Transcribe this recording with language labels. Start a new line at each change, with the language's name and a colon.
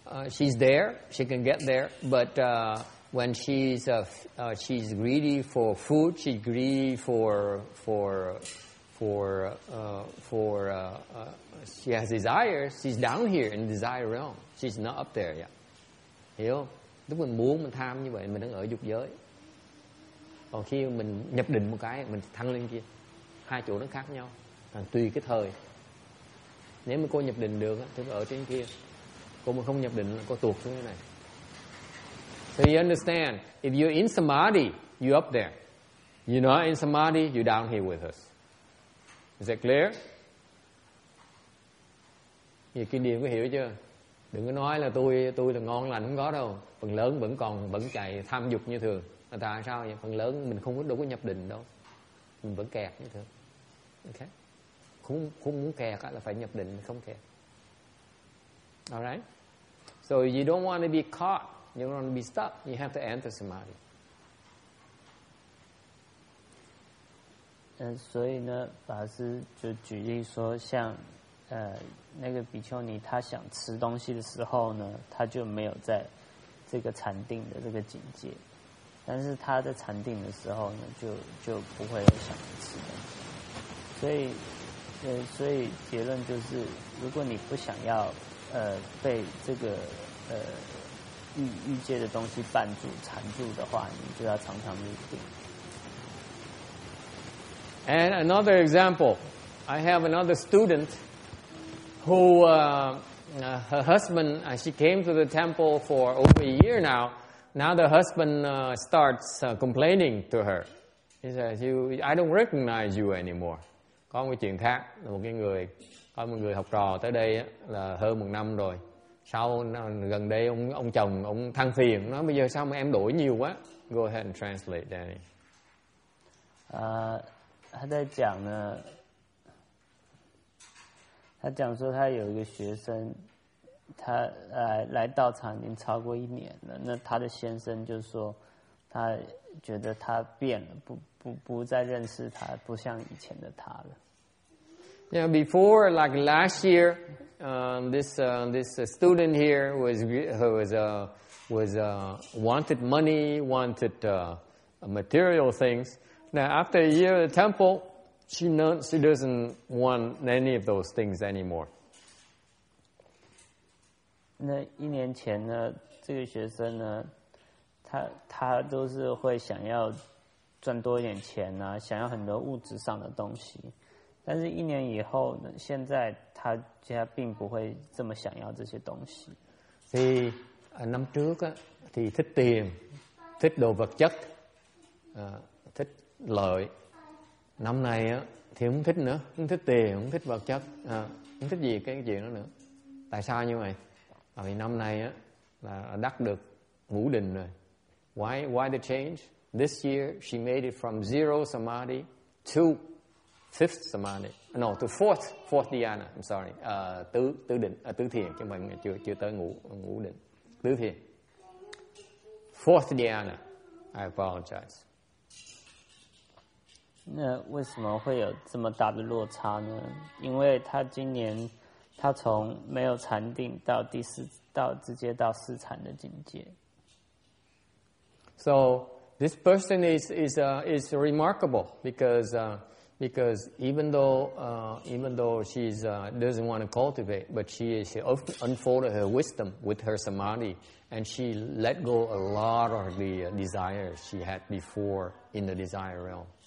English: she's there, she can get there, but when she's greedy for food, she's greedy she has desire, she's down here in the desire realm. She's not up there yet.
Vietnamese: Hiểu không? Lúc mình muốn, mình tham như vậy, mình đang ở dục giới. Còn khi mình nhập định một cái, mình thăng lên kia. Hai chỗ nó khác nhau. Còn tùy cái thời. Nếu mà cô nhập định được, thì ở trên kia. Cô mà không nhập định, cô tuột xuống thế này.
English: So you understand, if you're in samadhi, you're up there. You're not in samadhi, you're down here with us. Is that clear?
Vietnamese: Vì kinh điển có hiểu chưa? Đừng có nói là tôi là ngon lành, không có đâu. Phần lớn vẫn chạy tham dục như thường. Là tại sao vậy? Phần lớn mình không có đủ nhập định đâu. Mình vẫn kẹt như thường. Ok. Không muốn kẹt là phải nhập định, không kẹt.
English: Alright. So you don't want to be caught. You don't want to be stuck. You have to enter samadhi.
Chinese: 所以呢，法师就举例说，像那个比丘尼，他想吃东西的时候呢，他就没有在这个禅定的这个境界，但是他在禅定的时候呢，就不会有想吃东西。所以结论就是，如果你不想要被这个欲界的东西绊住缠住的话，你就要常常入定。
English: And another example, I have another student who, her husband, she came to the temple for over a year now. Now the husband starts complaining to her. He says, I don't recognize you anymore.
Vietnamese: Có một chuyện khác, có một người học trò tới đây là hơn một năm rồi. Sau gần đây ông chồng, ông than phiền, nói bây giờ sao mà em đổi nhiều quá.
English: Go ahead and translate, Danny.
Chinese: 他在讲呢，他讲说他有一个学生，他来道场已经超过一年了。那他的先生就说，他觉得他变了，不再认识他，不像以前的他了。
English: Yeah, before like last year, this student here was wanted money, wanted material things. Now, after a year at the temple, she doesn't want any of those things anymore.
Chinese: 那一年前呢，这个学生呢，他都是会想要赚多一点钱啊，想要很多物质上的东西。但是，一年以后呢，现在他家并不会这么想要这些东西。
Vietnamese: Thì năm trước thì thích tiền, thích đồ vật chất, thích. Lợi năm nay thì không thích nữa, không thích tiền, không thích vật chất, không thích gì cái chuyện đó nữa. Tại sao như vậy? Tại vì năm nay là đắc được ngũ đình rồi.
English: Why the change? This year she made it from zero samadhi to fifth samadhi, no to fourth dhyana. I'm sorry,
Vietnamese: tứ định, tứ thiền, chứ mình chưa tới ngũ định, tứ thiền,
English: fourth dhyana. I apologize.
Chinese: 那为什么会有这么大的落差呢？因为他今年他从没有禅定到第四，到直接到四禅的境界。
English: So this person is remarkable because even though she's doesn't want to cultivate, but she unfolded her wisdom with her samadhi and she let go a lot of the desires she had before in the desire realm.